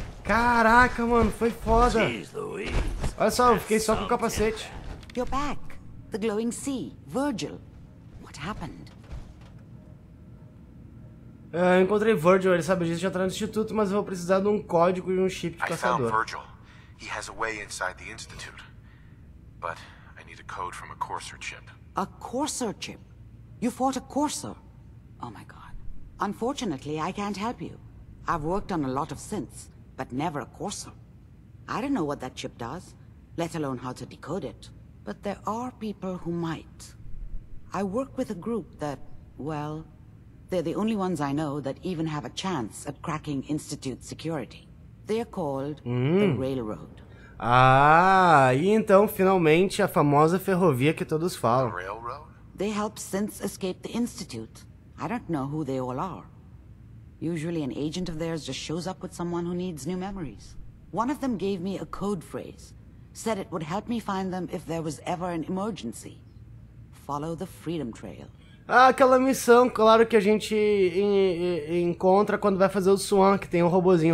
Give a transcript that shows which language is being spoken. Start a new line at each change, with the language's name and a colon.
Portuguese: Caraca, mano, foi foda. Olha só, eu fiquei só com o capacete.
English: You're back. The glowing sea, Virgil. What happened?
Portuguese: Eu encontrei Virgil, ele sabe disso de entrar no instituto, mas eu vou precisar de um código e um chip de caçador.
English: Virgil. He has a way inside the institute. But I need a code from a courser chip. A courser chip? You fought a courser? Oh my god. Unfortunately, I can't help you. I've worked on a lot of synths, but never a courser. I don't know what that chip does, let alone how to decode it. But there are people who might. I work with a group that, well, they're the only ones I know that even have a chance at cracking Institute security. They are called the Railroad.
Portuguese: E então, finalmente, a famosa ferrovia que todos falam.
English: The Railroad? They help synths escape the Institute. I don't know who they all are. Usually an agent of theirs just shows up with someone who needs new memories. One of them gave me a code phrase. Said it would help me find them if there was ever an emergency. Follow the Freedom Trail.
Portuguese: Ah, aquela missão, claro, que a gente encontra quando vai fazer o Swan, que tem um robozinho.